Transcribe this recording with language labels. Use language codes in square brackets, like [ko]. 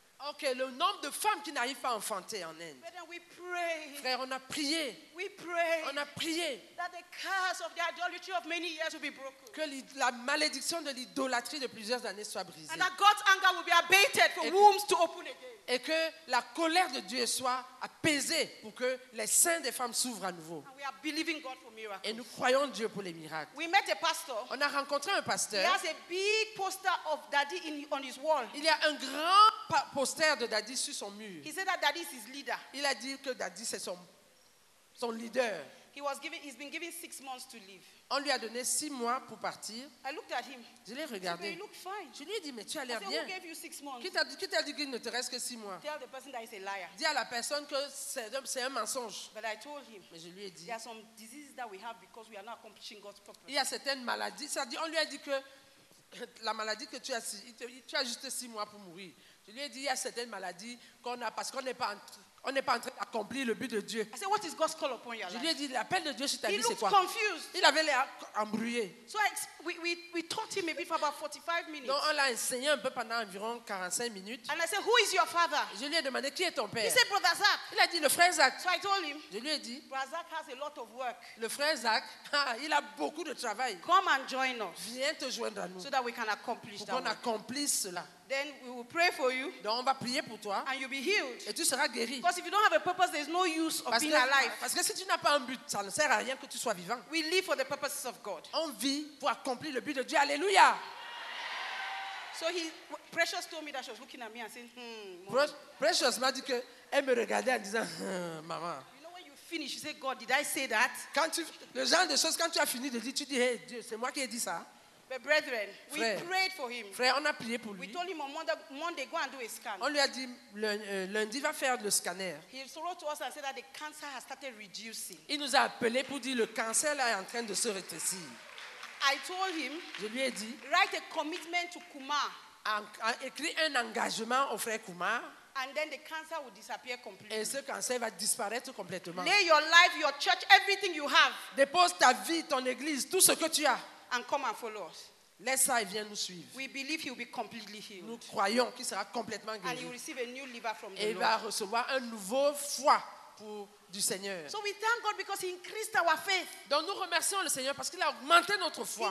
[fr] Ok, le nombre de femmes qui n'arrivent pas à enfanter en Inde. Frère, on a prié. [en] We pray [fr] on a prié. [en] That the curse of the idolatry of many years will be broken. [fr] Que la malédiction de l'idolâtrie de plusieurs années soit brisée. [en] And that God's anger will be abated for wombs to open again. [fr] Et que la colère de Dieu soit apaisée pour que les seins des femmes s'ouvrent à nouveau. [en] And we are believing God for miracles. [fr] Et nous croyons Dieu pour les miracles. [en] We met a pastor. [fr] On a rencontré un pasteur. [en] He has a big poster of Daddy on his wall. [fr] Il y a un grand poster de Daddy sur son mur. [en] He said that Daddy is his leader. [fr] Il a dit que Daddy c'est son leader. [en] He's been given 6 months to leave. [fr] On lui a donné 6 mois pour partir. [en] I looked at him. [fr] Je l'ai regardé. [en] You look fine. [fr] Je lui ai dit, mais tu as l'air [en] said, [fr] bien. [en] Who gave you 6 months? [fr] Qui t'a dit qu'il ne te reste que 6 mois? [en] Tell the person that he's a liar. [fr] Dis à la personne que c'est un mensonge. [en] But I told him, [fr] mais je lui ai dit, [en] there are some diseases that we have because we are not accomplishing God's purpose. [fr] Il y a certaines maladies. C'est-à-dire, on lui a dit que la maladie que tu as juste 6 mois pour mourir. Je lui ai dit, il y a certaines maladies qu'on a parce qu'on n'est pas on n'est pas en train d'accomplir le but de Dieu. [en] I said, what is God's call upon your [fr] Je lui ai dit, l'appel de Dieu sur ta [en] he [fr] vie, c'est quoi? [en] Confused. [fr] Il avait l'air embrouillé. [en] So we taught him maybe for about 45 minutes. [fr] Donc on l'a enseigné un peu pendant environ 45 minutes. [en] And I said, who is your father? [fr] Je lui ai demandé, qui est ton père? [en] He said, Brother Zach. [fr] Il a dit, le frère Zach. [en] So I told him, [fr] Je lui ai dit, [en] Brother Zach has a lot of work. [fr] Le frère Zach, il a beaucoup de travail. [en] Come and join us. [fr] Viens te joindre à nous. [en] So that we can accomplish [fr] pour qu'on accomplisse cela. [en] Then we will pray for you. [fr] Donc on va prier pour toi. [en] And you'll be healed. [fr] Et tu seras guéri. [en] Because if you don't have a purpose, there's no use of being alive. [fr] Parce que si tu n'as pas un but, ça ne sert à rien que tu sois vivant. [en] We live for the purposes of God. [fr] On vit pour accomplir le but de Dieu. Alléluia. [en] So Precious told me that she was looking at me and saying, [fr] Precious m'a dit que elle me regardait en disant, maman. [en] You know when you finish. finish, you say, God, did I say that? [fr] Quand tu, le genre de choses, quand tu as fini de dire, tu dis, hey, Dieu, c'est moi qui ai dit ça. [en] But brethren, frère, we prayed for him. [fr] Frère, on a prié pour lui. [en] We told him on Monday, go and do a scan. [fr] On lui a dit, lundi, va faire le scanner. [en] He wrote to us and said that the cancer has started reducing. [fr] Il nous a appelé pour dire, le cancer là est en train de se rétrécir. [en] I told him, [fr] je lui ai dit, [en] write a commitment to Kumar. [fr] Écris un engagement au frère Kumar. [en] And then the cancer will disappear completely. [fr] Et ce cancer va disparaître complètement. [en] Lay your life, your church, everything you have. [fr] Dépose ta vie, ton église, tout ce que tu as. [en] And come and follow us. [fr] Laisse ça et viens nous suivre. [en] We believe he will be completely healed. [fr] Nous croyons qu'il sera complètement guéri. [en] And he will receive a new liver from the [fr] et [en] Lord. [fr] Il va recevoir un nouveau foi pour du Seigneur. [en] So we thank God because he increased our faith. [fr] Donc nous remercions le Seigneur parce qu'il a augmenté notre foi.